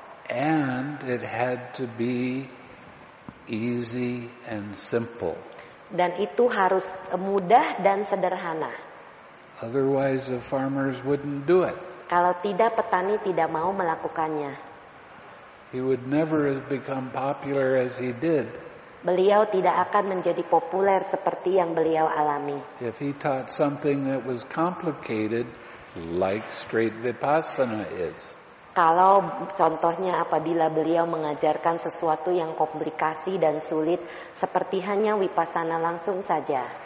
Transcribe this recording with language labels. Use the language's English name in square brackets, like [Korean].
[English] And it had to be easy and simple. [Indonesian] Dan itu harus mudah dan sederhana. [English] Otherwise, the farmers wouldn't do it. [Indonesian] Kalau tidak, petani tidak mau melakukannya. [English] He would never have become popular as he did. [Indonesian] Beliau tidak akan menjadi populer seperti yang beliau alami. [English] If he taught something that was complicated, like straight vipassana is. [Indonesian] Kalau contohnya apabila beliau mengajarkan sesuatu yang komplikasi dan sulit, seperti hanya vipassana langsung saja.